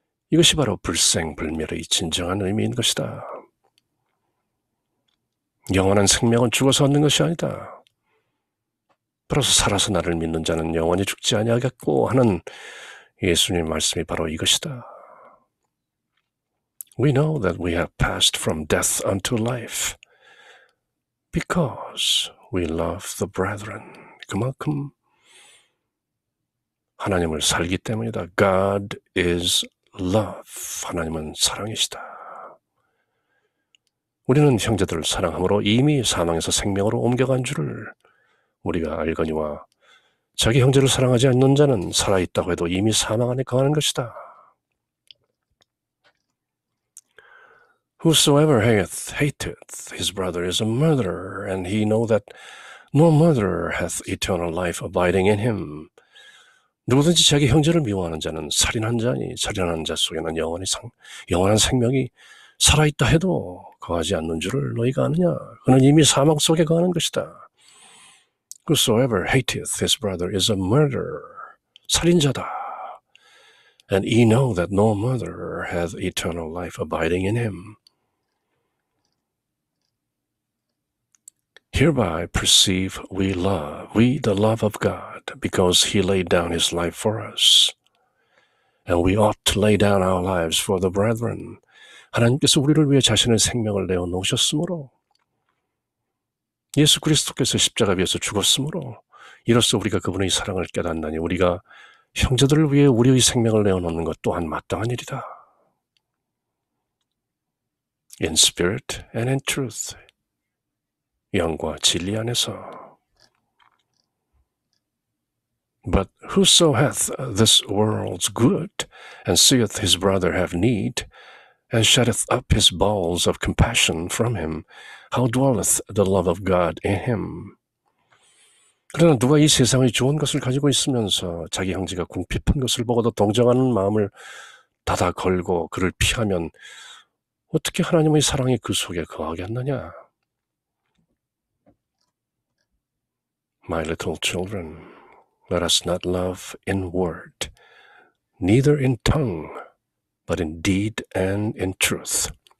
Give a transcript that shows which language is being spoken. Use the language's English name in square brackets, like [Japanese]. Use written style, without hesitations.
[Korean] 이것이 바로 불생불멸의 진정한 의미인 것이다. 영원한 생명은 죽어서 얻는 것이 아니다. 그래서 살아서 나를 믿는 자는 영원히 죽지 아니하겠고 하는 예수님의 말씀이 바로 이것이다. [English] We know that we have passed from death unto life because we love the brethren. [Korean] 그만큼 하나님을 살기 때문이다. [English] God is love. [Korean] 하나님은 사랑이시다. 우리는 형제들을 사랑함으로 이미 사망에서 생명으로 옮겨간 줄을 우리가 알거니와 자기 형제를 사랑하지 않는 자는 살아있다고 해도 이미 사망 안에 거하는 것이다. [English] Whosoever hateth his brother is a murderer, and he know that no murderer hath eternal life abiding in him. [Korean] 누구든지 자기 형제를 미워하는 자는 살인한 자니 살인한 자 속에는 영원한 생명이 살아있다 해도 거하지 않는 줄을 너희가 아느냐? 그는 이미 사망 속에 거하는 것이다. [English] Whosoever hateth his brother is a murderer. [Korean] 살인자다. [English] And he know that no murderer hath eternal life abiding in him. Hereby perceive we love, we the love of God, because he laid down his life for us. And we ought to lay down our lives for the brethren. [Korean] 하나님께서 우리를 위해 자신의 생명을 내어놓으셨으므로 예수 그리스도께서 십자가 위에서 죽었으므로 이로써 우리가 그분의 사랑을 깨닫나니 우리가 형제들을 위해 우리의 생명을 내어놓는 것 또한 마땅한 일이다. [English] In spirit and in truth. [Korean] 영과 진리 안에서. [English] But whoso hath this world's good and seeth his brother have need and shutteth up his bowels of compassion from him, how dwelleth the love of God in him? [Korean] 그러나 누가 이 세상의 좋은 것을 가지고 있으면서 자기 형제가 궁핍한 것을 보고도 동정하는 마음을 닫아 걸고 그를 피하면 어떻게 하나님의 사랑이 그 속에 거하겠느냐? [English] My little children, let us not love in word, neither in tongue, but in deed and in truth.